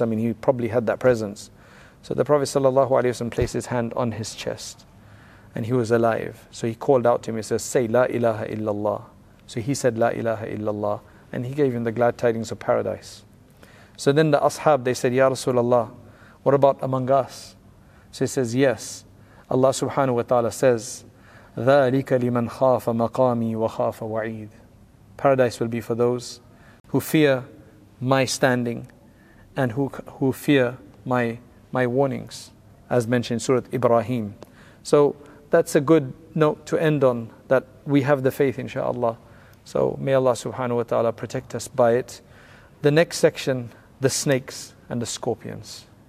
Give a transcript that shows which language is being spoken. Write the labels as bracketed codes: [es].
[en] I mean, he probably had that presence. So the Prophet sallallahu alaihi wasallam placed his hand on his chest and he was alive. So he called out to him. He says, say la ilaha illallah. So he said, la ilaha illallah. And he gave him the glad tidings of paradise. So then the ashab, they said, Ya Rasulullah, what about among us? So he says, yes. Allah subhanahu wa ta'ala says, [ar] ذَلِكَ لِمَنْ خَافَ مَقَامِي وَخَافَ وَعِيدٍ. [en] Paradise will be for those who fear my standing and who fear my warnings, as mentioned in Surah Ibrahim. So that's a good note to end on, that we have the faith, inshaAllah. So may Allah subhanahu wa ta'ala protect us by it. The next section, the snakes and the scorpions.